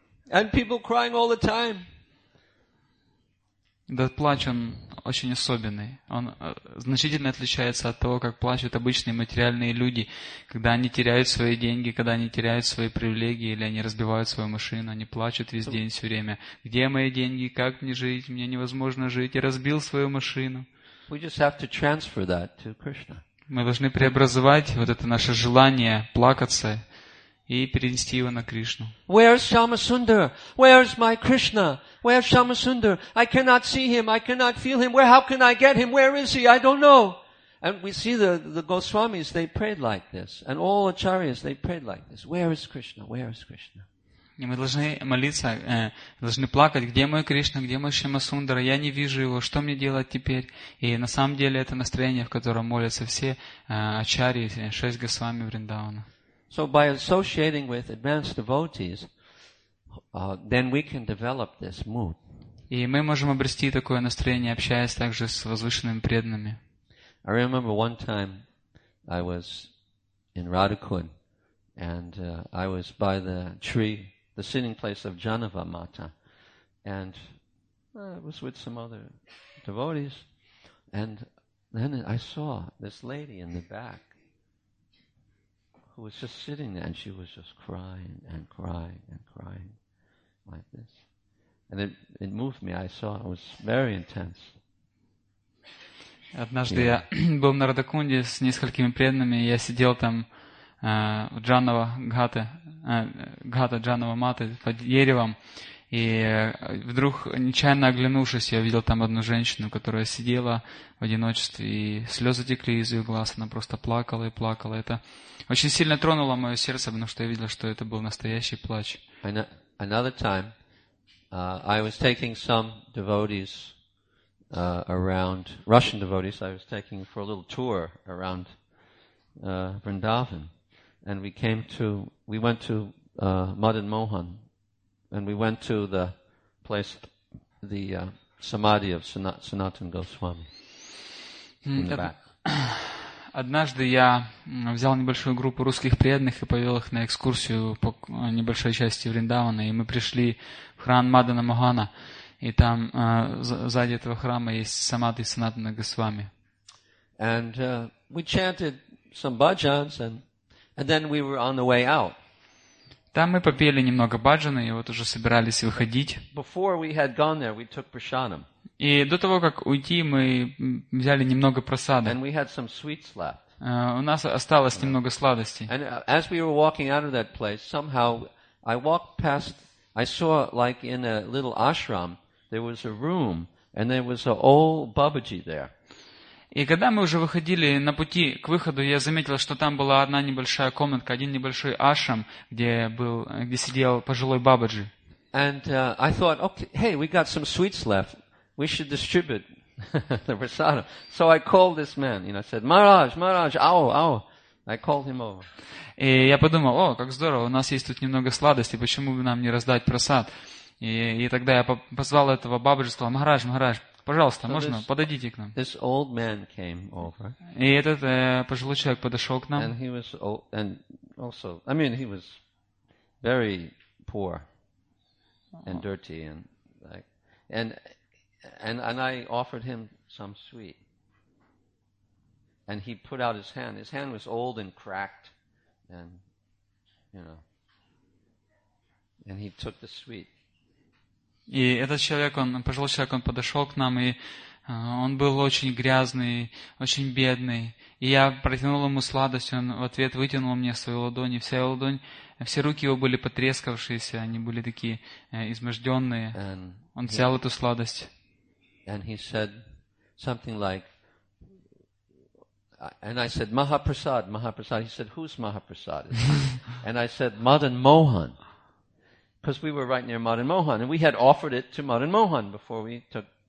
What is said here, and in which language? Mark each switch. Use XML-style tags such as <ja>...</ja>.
<en>And people crying all the time.</en> <ru>Этот плач, он очень особенный. Он значительно отличается от того, как плачут обычные материальные люди, когда они теряют свои деньги, когда они теряют свои привилегии, или они разбивают свою машину, они плачут весь день, все время. Где мои деньги? Как мне жить? Мне невозможно жить. Я разбил свою машину.</ru> <en>We just have to transfer that to Krishna.</en> <ru>Мы должны преобразовать вот это наше желание плакаться и перенести его на Кришну.</ru> <en>Where is Shama Sundar? Where is my Krishna? Where is Shama Sundar? I cannot see him. I cannot feel him. Where? How can I get him? Where is he? I don't know. And we see the Goswamis, they prayed like this. And all Acharyas, they prayed like this. Where is Krishna? Where is Krishna?</en> <ru>И мы должны молиться, должны плакать. Где мой Кришна? Где мой Шама Сундара? Я не вижу его. Что мне делать теперь? И на самом деле это настроение, в котором молятся все Ачарьи, шесть Госвами Вриндавана.</ru> <en>So by associating with advanced devotees, then we can develop this mood.</en> <ru>И мы можем обрести такое настроение, общаясь также с возвышенными преданными.</ru> <en>I remember one time I was in Radhakund, and I was by the tree, the sitting place of Janava Mata, and I was with some other devotees, and then I saw this lady in the back. Was just sitting there, and she was just crying and crying and crying like this, and it moved me. I saw it was very intense.</en> <ru>Однажды я был на Радакунде с несколькими преданными. Я сидел там в Джанава Гхата, Гхата Джанава Маты под деревом, и вдруг нечаянно оглянувшись, я видел там одну женщину, которая сидела в одиночестве, и слезы текли из ее глаз. Она просто плакала и плакала. Это очень сильно тронуло мое сердце, потому что я видел, что это был настоящий плач.</ru> <en>Another time, I was taking some devotees around, Russian devotees, I was taking for a little tour around Vrindavan. And we went to Madan Mohan, and we went to the place, the Samadhi of Sanatan Goswami in the back.</en> <ru>Однажды я взял небольшую группу русских преданных и повел их на экскурсию по небольшой части Вриндавана, и мы пришли в храм Мадана Могана, и там сзади этого храма есть Самадхи Санатана Госвами.</ru> <en>And we chanted some bhajans, and then we were on the way out.</en> <ru>Там мы попели немного баджаны, и вот уже собирались выходить.</ru> <en>Before we had gone there, we took prashanam.</en> <ru>И до того, как уйти, мы взяли немного просады.</ru> <en>And we had some sweets left.</en> <ru>У нас осталось немного сладостей.</ru> <en>And as we were walking out of that place, somehow I walked past, I saw like in a little ashram, there was a room, and there was an old Babaji there.</en> <ru>И когда мы уже выходили на пути к выходу, я заметил, что там была одна небольшая комнатка, один небольшой ашрам, где сидел пожилой бабаджи.</ru> <en>And I thought, okay, hey, we got some sweets left. We should distribute the prasadam. So I called this man, you know, I said, Maharaj, Maharaj, ow, ow. I called him over.</en> <ru>И я подумал, о, как здорово, у нас есть тут немного сладости, почему бы нам не раздать прасад? И тогда я позвал этого бабаджи, сказал, Махарадж, Махарадж, пожалуйста, so можно, подойдите к нам.</ru> <en>This old man came over.</en> <ru>И этот пожилой человек подошел к нам.</ru> <en>And he was old, and also, I mean, he was very poor and dirty and like, and I offered him some sweet. And he put out his hand. His hand was old and cracked, and you know. And he took the sweet.</en> <ru>И этот человек, он пожилой человек, он подошел к нам, и он был очень грязный, очень бедный. И я протянул ему сладость, он в ответ вытянул мне свою ладонь, и вся его ладонь, все руки его были потрескавшиеся, они были такие изможденные.</ru> <en>And</en> <ru>он взял эту сладость.</ru> <en>And he said something like, and I said, Mahaprasad, Mahaprasad. He said, who's Mahaprasad? And I said, Madan Mohan. Because we were right near Madan Mohan, and we had offered it to Madan Mohan before we took.</en>